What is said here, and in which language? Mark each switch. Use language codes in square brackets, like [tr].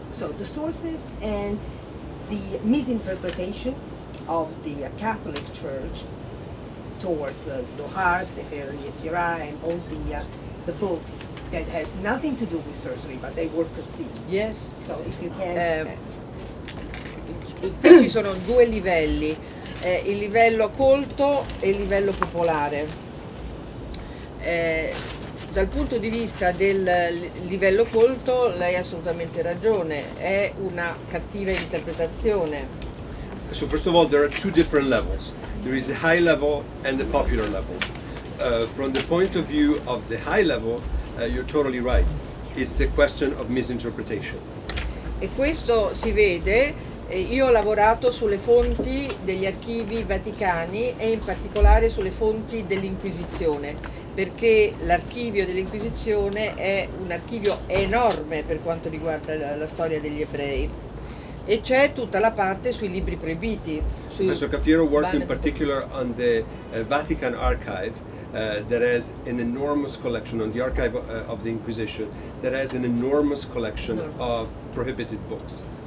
[en] So the sources and the misinterpretation of the Catholic Church towards the Zohar, Sefer Yetzirah, and all the books that has nothing to do with sorcery, but they were perceived. Yes. So if you can. [it] Ci sono due livelli, il livello colto e il livello popolare. Dal punto di vista del livello colto, lei ha assolutamente ragione, è una cattiva interpretazione. [en] So first of all, there are two different levels. There is a high level and a popular level. From the point of view of the high level, you're totally right. It's a question of misinterpretation. [it] E questo si vede. Io ho lavorato sulle fonti degli archivi vaticani e in particolare sulle fonti dell'Inquisizione, perché l'archivio dell'Inquisizione è un archivio enorme per quanto riguarda la storia degli ebrei. E c'è tutta la parte sui libri proibiti, [en] Professor Caffiero worked in particular on the Vatican archive that has an enormous collection, on the archive of the Inquisition, that has an enormous collection of prohibited books.